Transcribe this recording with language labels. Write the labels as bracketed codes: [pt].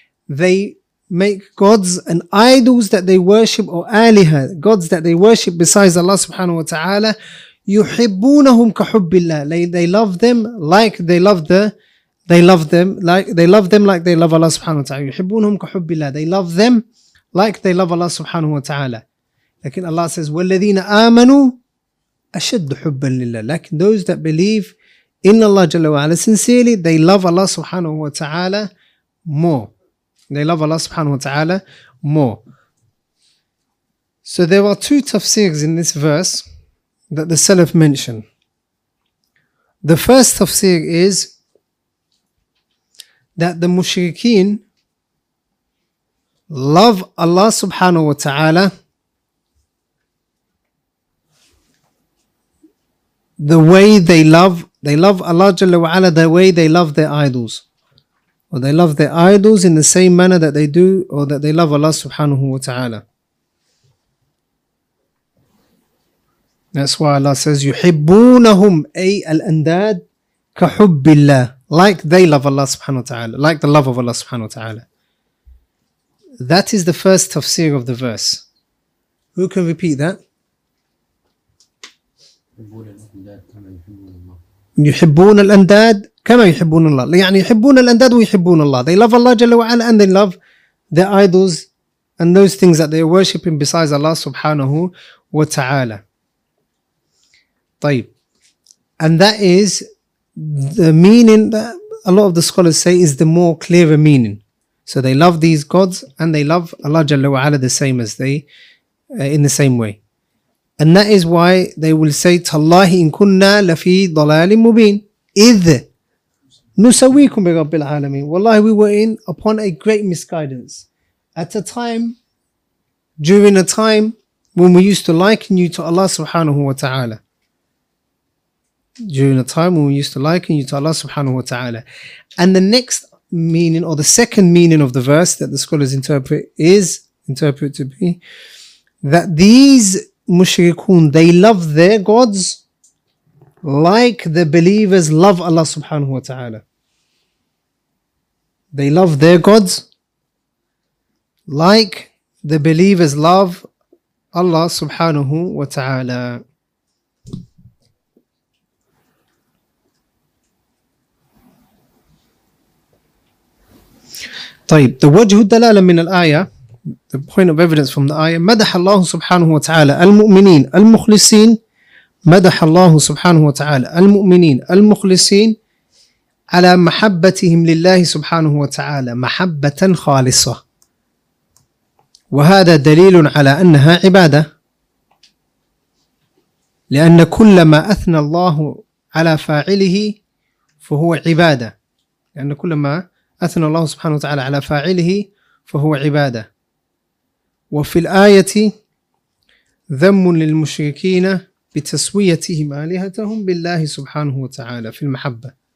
[en] They make gods and idols that they worship, or aliha, gods that they worship besides Allah subhanahu wa ta'ala. [ar] Yuhibbunahum kahubbillah. [en] They love them like they love the, they love them like they love them like they love Allah subhanahu wa ta'ala. Yuhibbunahum kahubbillah. They love them like they love Allah subhanahu wa ta'ala. [ar] Lakin Allah says, وَالَّذِينَ آمَنُوا أَشَدُّ حُبًّا لِلَّهِ. [en] Lakin those that believe in Allah Jalla wa'ala sincerely, they love Allah subhanahu wa ta'ala more. They love Allah subhanahu wa ta'ala more. So there are two tafsirs in this verse that the Salaf mention. The first tafsir is that the mushrikeen love Allah subhanahu wa ta'ala the way they love Allah Jalla wa'ala the way they love their idols. Or they love their idols in the same manner that they do, or that they love Allah subhanahu wa ta'ala. That's why Allah says, [ar] يُحِبُّونَهُمْ أي الأنداد كَحُبِّ اللَّهِ. [en] Like they love Allah subhanahu wa ta'ala, like the love of Allah subhanahu wa ta'ala. That is the first tafsir of the verse. Who can repeat that? [ar] يحبون الأنداد كما يحبون الله. يعني يحبون الأنداد ويحبون الله. [en] They love Allah جل وعلا and they love their idols and those things that they are worshipping besides Allah سبحانه وتعالى. [ar] طيب. [en] And that is the meaning that a lot of the scholars say is the more clearer meaning. So they love these gods and they love Allah جل وعلا the same as they in the same way. And that is why they will say, [ar] تَاللَّهِ إِن كُنَّا لَفِي ضَلَالٍ مُبِينٍ إِذْ نُسَوِيكُمْ بِرَبِّ الْعَالَمِينَ. [en] Wallahi, we were in upon a great misguidance. At a time, during a time when we used to liken you to Allah subhanahu wa ta'ala. During a time when we used to liken you to Allah subhanahu wa ta'ala. And the next meaning, or the second meaning of the verse that the scholars interpret to be, that these mushrikun, they love their gods like the believers love Allah subhanahu wa ta'ala. They love their gods like the believers love Allah subhanahu wa ta'ala. [ar] طيب, the wajhu dalala min al-ayah, [en] the point of evidence from the ayah, [ar] مدح الله سبحانه وتعالى المؤمنين المخلصين. مدح الله سبحانه وتعالى المؤمنين المخلصين على محبتهم لله سبحانه وتعالى محبة خالصة وهذا دليل على أنها عبادة لأن كلما أثنى الله على فاعله فهو عبادة لأن كلما أثنى الله سبحانه وتعالى على فاعله فهو عبادة وفي الآية ذم للمشركين بتسويتهم آلهتهم بالله سبحانه وتعالى في المحبة.